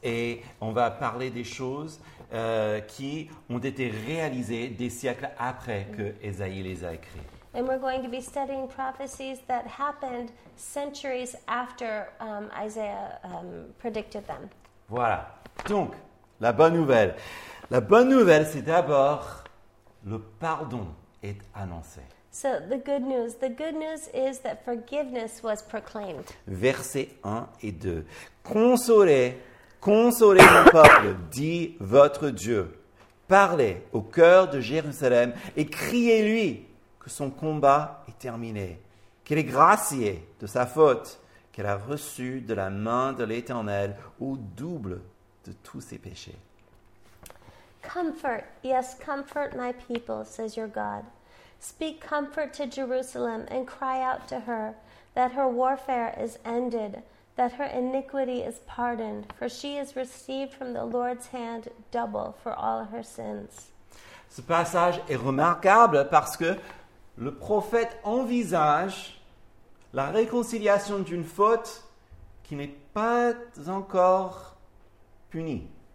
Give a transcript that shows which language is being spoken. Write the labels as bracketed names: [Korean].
[French] Et on va parler des choses qui ont été réalisées des siècles après que Ésaïe les a écrites. [English] And we're going to be studying prophecies that happened centuries after Isaiah predicted them. [French] Voilà. Donc, la bonne nouvelle. La bonne nouvelle, c'est d'abord, le pardon est annoncé. [English] So, the good news. The good news is that forgiveness was proclaimed. [French] Versets 1 et 2. Consolez mon peuple, dit votre Dieu. Parlez au cœur de Jérusalem et criez-lui. Son combat est terminé, qu'elle est graciée de sa faute, qu'elle a reçue de la main de l'Éternel au double de tous ses péchés. [English] Comfort, yes, comfort my people, says your God. Speak comfort to Jerusalem and cry out to her that her warfare is ended, that her iniquity is pardoned, for she has received from the Lord's hand double for all her sins. [French] Ce passage est remarquable parce que le prophète envisage la réconciliation d'une faute qui n'est pas encore punie.